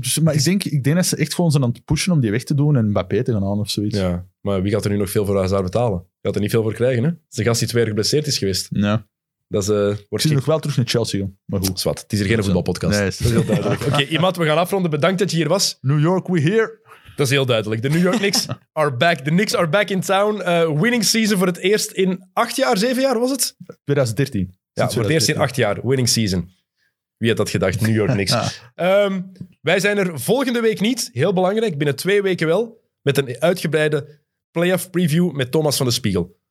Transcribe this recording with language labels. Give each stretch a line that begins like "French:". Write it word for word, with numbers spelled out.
Dutch: Dus, maar ik denk, ik denk dat ze echt gewoon zijn aan het pushen om die weg te doen en Mbappé te gaan aan of zoiets. Ja, maar wie gaat er nu nog veel voor Hazard betalen? Je gaat er niet veel voor krijgen, hè? Het is de gast die twee jaar geblesseerd is geweest. Ja. Dat is, uh, wordt ik zie nog wel terug naar Chelsea, joh. Maar goed. Zwat, het is hier geen voetbalpodcast. Nee, dat is heel duidelijk. Oké, okay, Imad, we gaan afronden. Bedankt dat je hier was.
English: New York, we here.
Dutch: Dat is heel duidelijk.
English: De New York Knicks are back. De Knicks are back in town.
Dutch: Uh, winning season voor het eerst in acht jaar, zeven jaar was het? twintig dertien. Ja, twintig dertien. Voor het eerst in acht jaar. Winning season. Wie had dat gedacht? New York Knicks. Ja. Um, wij zijn er volgende week niet. Heel belangrijk. Binnen twee weken wel. Met een uitgebreide playoff preview met Thomas van de Spiegel.